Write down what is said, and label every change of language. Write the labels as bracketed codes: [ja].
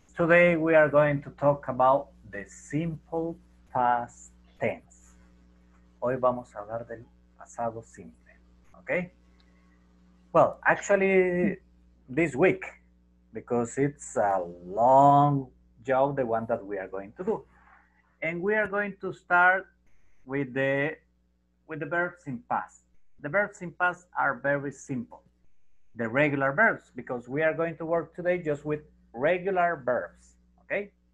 [en] Today we are going to talk about the simple past tense. [es] Hoy vamos a hablar del pasado simple, okay? [en] Well, actually, this week, because it's a long job, the one that we are going to do. And we are going to start with the verbs in past. The verbs in past are very simple. The regular verbs, because we are going to work today just with regular verbs, okay?